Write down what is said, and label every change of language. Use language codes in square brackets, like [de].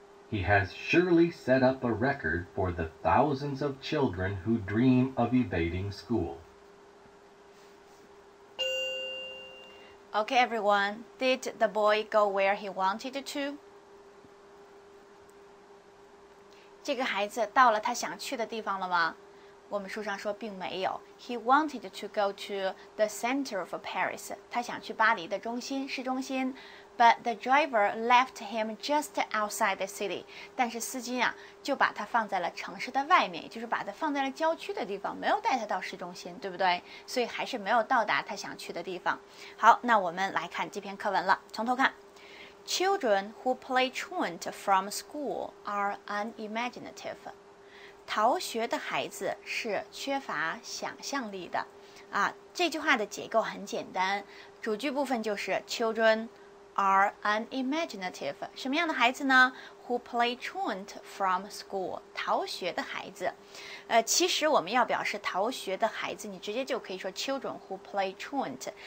[en] He has surely set up a record for the thousands of children who dream of evading school. Okay, everyone. Did the boy go where he wanted to? [zh] 这个孩子到了他想去的地方了吗？我们书上说并没有。 [en] He wanted to go to the center of Paris. [zh] 他想去巴黎的中心，市中心。 [en] But the driver left him just outside the city. [zh] 但是司机啊，就把他放在了城市的外面，也就是把他放在了郊区的地方，没有带他到市中心，对不对？所以还是没有到达他想去的地方。好，那我们来看这篇课文了，从头看。 [en] Children who play truant from school are unimaginative. [zh] 逃学的孩子是缺乏想象力的。啊，这句话的结构很简单，主句部分就是 children. [en] Are unimaginative. [zh] 什么样的孩子呢 [en] ？Who play truant from school? [zh] 逃学的孩子。其实我们要表示逃学的孩子，你直接就可以说 [en] children who play truant.